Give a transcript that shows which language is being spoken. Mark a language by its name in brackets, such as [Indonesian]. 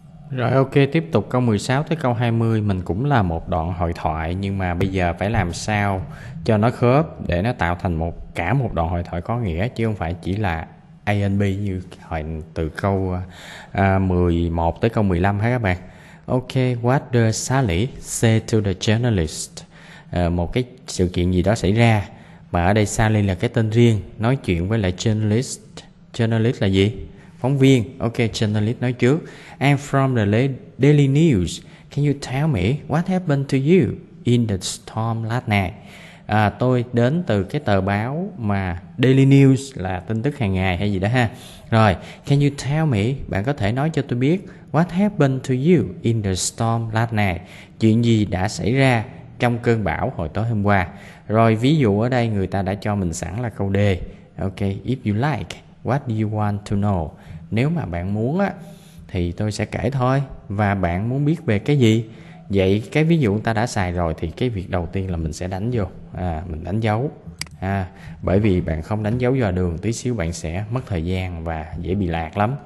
[Vietnamese] Rồi ok, tiếp tục câu 16 tới câu 20. Mình cũng là một đoạn hội thoại, nhưng mà bây giờ phải làm sao cho nó khớp để nó tạo thành một cả một đoạn hội thoại có nghĩa, chứ không phải chỉ là A and B như hồi từ câu 11 tới câu 15 hả các bạn. [English] Ok, what does Sally say to the journalist? [Vietnamese] Một cái sự kiện gì đó xảy ra, mà ở đây Sally là cái tên riêng, nói chuyện với lại journalist. Journalist là gì? Phóng viên. Ok, journalist nói trước. [English] I'm from the Daily News. Can you tell me what happened to you in the storm last night? [Vietnamese] Tôi đến từ cái tờ báo mà Daily News là tin tức hàng ngày hay gì đó ha. [English] Rồi, can you tell me, [Vietnamese] bạn có thể nói cho tôi biết [English] what happened to you in the storm last night? [Vietnamese] Chuyện gì đã xảy ra trong cơn bão hồi tối hôm qua? Rồi, ví dụ ở đây người ta đã cho mình sẵn là câu D. [English] Ok, if you like, what do you want to know? [Vietnamese] Nếu mà bạn muốn á, thì tôi sẽ kể thôi. Và bạn muốn biết về cái gì? Vậy cái ví dụ ta đã xài rồi thì cái việc đầu tiên là mình sẽ đánh vô, mình đánh dấu. Bởi vì bạn không đánh dấu dò đường, tí xíu bạn sẽ mất thời gian và dễ bị lạc lắm.